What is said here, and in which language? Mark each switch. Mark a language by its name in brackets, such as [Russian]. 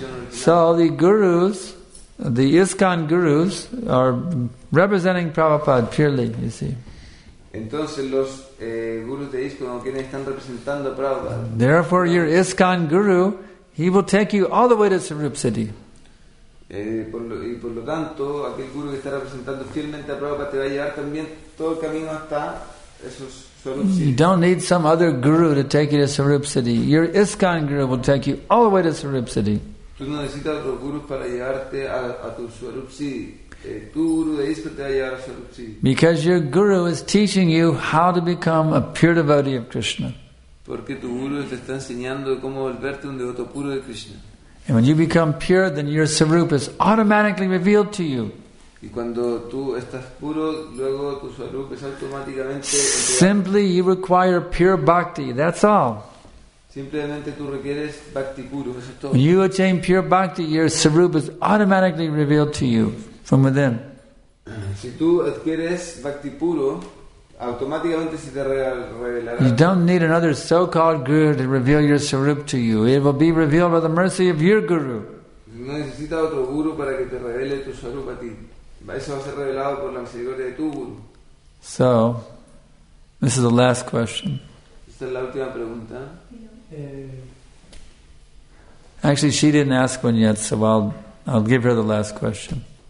[English] So the gurus, the ISKCON gurus, are representing Prabhupada purely, you see. [Spanish] Entonces los gurus de ISKCON, quienes están representando a Prabhupada. [English] Therefore, your ISKCON guru, he will take you all the way to Swarup City. [Spanish] Por lo tanto, aquel guru que está representando fielmente a Prabhupada te va a llevar también todo el camino hasta esos. [English] You don't need some other guru to take you to Swarup City. Your ISKCON guru will take you all the way to Swarup City. [Spanish] Tú no necesitas otro guru para llevarte a tu Swarup City. Tu guru de ISKCON te va a llevar a Swarup City. [English] Because your guru is teaching you how to become a pure devotee of Krishna. [Spanish] Porque tu guru te está enseñando cómo volverte un devoto puro de Krishna. [English] And when you become pure, then your Swarup is automatically revealed to you. [Spanish] Y cuando tú estás puro, luego tu swarup es automáticamente. [English] Simply, you require pure bhakti. That's all. [Spanish] Simplemente tú requieres bhakti puro. Eso es todo. [English] When you attain pure bhakti, your swarup is automatically revealed to you from within. [Spanish] Si tú adquieres bhakti puro, automáticamente se te revelará. [English] You don't need another so-called guru to reveal your swarup to you. It will be revealed by the mercy of your guru. [Spanish] No necesitas otro guru para que te revele tu swarup a ti. Eso va a ser revelado por la misericordia de tu guru. [English] So, this is the last question. [Spanish] Esta es la última pregunta. [English] Actually, she didn't ask one yet, so I'll give her the last question.